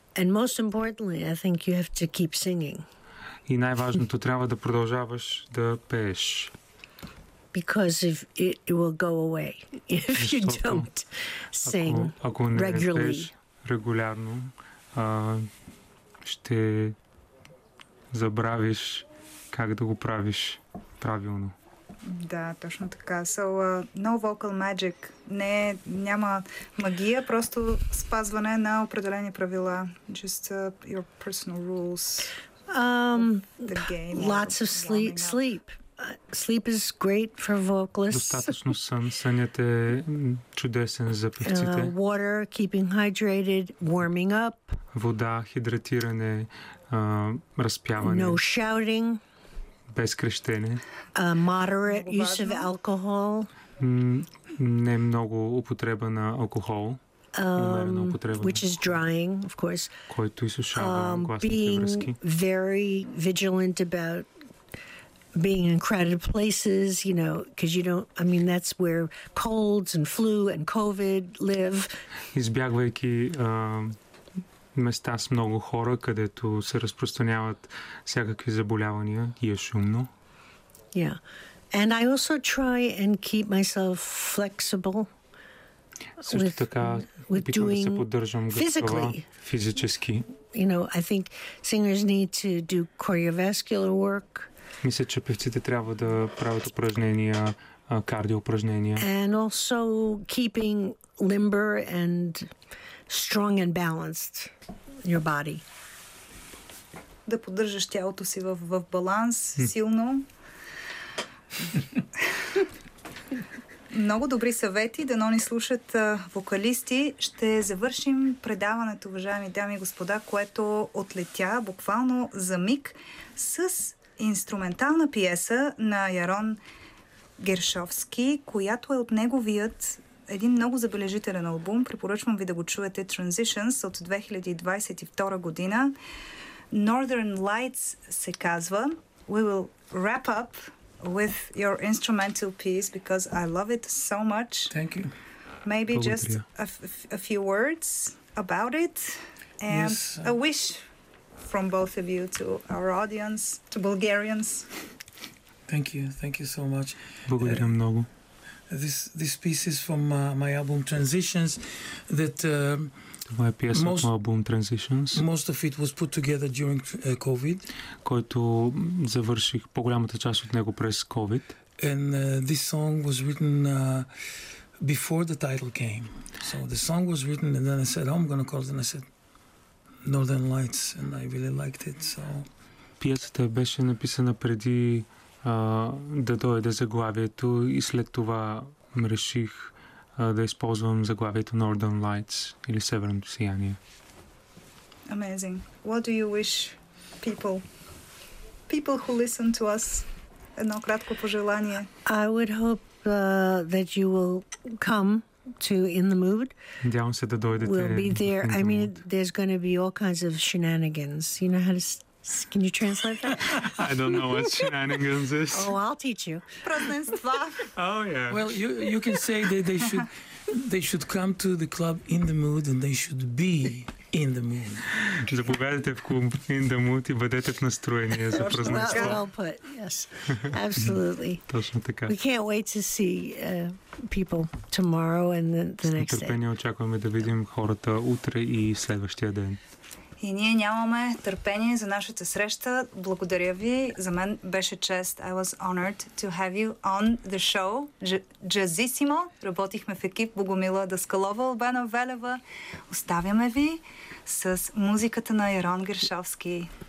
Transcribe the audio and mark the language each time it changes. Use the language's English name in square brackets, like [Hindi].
[English] And most importantly, I think you have to keep singing. [Bulgarian] И най-важното трябва да продължаваш да пееш. [English] Because if it will go away if you don't sing regularly. [Bulgarian] Ако не пееш регулярно, ще забравиш как да го правиш правилно. Да, точно така. [English] So, no vocal magic. [Bulgarian] Не, няма магия, просто спазване на определени правила. [English] Just your personal rules. The game. Lots of sleep. Sleep is great for vocalists. [Bulgarian] Достатъчно сън. Сънят е чудесен за певците. [English] Water, keeping hydrated, warming up. [Bulgarian] Вода, хидратиране, разпяване. [English] No shouting. [Bulgarian] Без крещене. [English] Moderate use of alcohol. [Bulgarian] Не много употреба на алкохол. [English] Which is drying, of course. [Bulgarian] Който изсушава гласните връзки. [English] Very vigilant about being in crowded places, you know, because you don't, I mean, that's where colds and flu and COVID live. [Bulgarian] Избягвайки места с много хора, където се разпространяват всякакви заболявания и е шумно. [English] Yeah. And I also try and keep myself flexible. [Bulgarian] Също така, опитвам да се поддържам физически. Физически. [English] You know, I think singers need to do cardiovascular work. [Bulgarian] Мисля, че певците трябва да правят упражнения, кардиоупражнения. [English] And also keeping limber and strong and balanced your body. [Bulgarian] да поддържаш тялото си в баланс силно. Много добри съвети, дано ни слушат вокалисти. Ще завършим предаването, уважаеми дами и господа, което отлетя буквално за миг с инструментална пиеса на Ярон Гершовски, която е от неговият един много забележителен албум. Препоръчвам ви да го чуете, Transitions от 2022 година. Northern Lights се казва. [English] We will wrap up with your instrumental piece because I love it so much. Thank you. Maybe just a few words about it and yes, a wish from both of you to our audience, to Bulgarians. Thank you. Thank you so much. [Bulgarian] Благодаря много. [English] This piece is from my album Transitions that my piece of my album Transitions. Most of it was put together during COVID. [Bulgarian] Който завърших по-голямата част от него през COVID. [English] And this song was written before the title came. So the song was written and then I said, oh, I'm going to call it. And I said, Northern Lights. And I really liked it. So [Bulgarian] пиесата беше написана преди да дойде заглавието и след това реших да използвам заглавието Northern Lights или Северното сияние. [English] Amazing. What do you wish people who listen to us? [Bulgarian] Едно кратко пожелание. [English] I would hope that you will come to In the Mood. [Bulgarian] Надявам се да дойдете. [English] We'll be there. I mean, there's going to be all kinds of shenanigans. You know how to can you translate that? I don't know what shenanigans is. Oh, I'll teach you. [Bulgarian] Празненства. [English] Oh yeah. Well, you can say that they should come to the club in the mood and they should be in the mood. [Bulgarian] Заповядайте в клуб in the mood и бъдете в настроение за празненство. [English] That's well put. Yes. Absolutely. [Bulgarian] Точно така. [English] We can't wait to see people tomorrow and the next day. [Bulgarian] Нетърпение очакваме да видим хората утре и следващия ден. И ние нямаме търпение за нашата среща. Благодаря ви. За мен беше чест. [English] I was honored to have you on the show. [Bulgarian] Джазисимо. Работихме в екип. Богомила Даскалова, Албена Велева. Оставяме ви с музиката на Ярон Гершовски.